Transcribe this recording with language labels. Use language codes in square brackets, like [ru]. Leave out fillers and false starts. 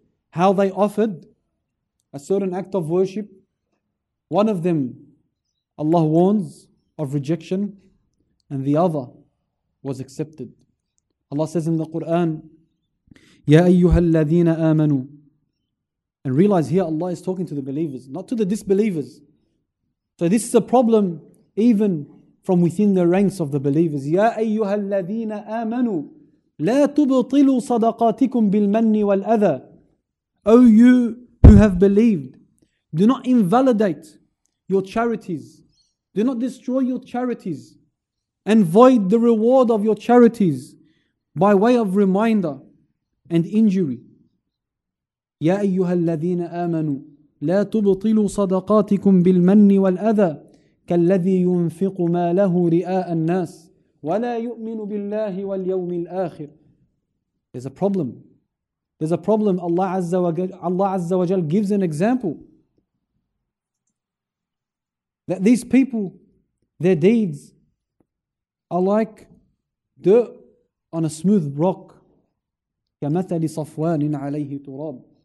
[en] How they offered a certain act of worship. One of them, Allah warns of rejection, and the other was accepted. Allah says in the Quran, [ar] Ya ayyuha alladhina amanu. [en] And realize here Allah is talking to the believers, not to the disbelievers. So this is a problem even from within the ranks of the believers. [ar] Ya ayyuha alladhina amanu. لا تبطلوا صدقاتكم بالمن والأذى. [en] O you who have believed, do not invalidate your charities. Do not destroy your charities and void the reward of your charities by way of reminder and injury. [ar] يا أيها الذين آمنوا لا تبطلوا صدقاتكم بالمن والأذى كالذي ينفق ما له رئاء الناس ولا يؤمن بالله واليوم الآخر. [en] There's a problem. There's a problem. Allah Azza wa Jal gives an example that these people, their deeds are like dirt on a smooth rock. [ar] كمثل صفوان عليه تراب.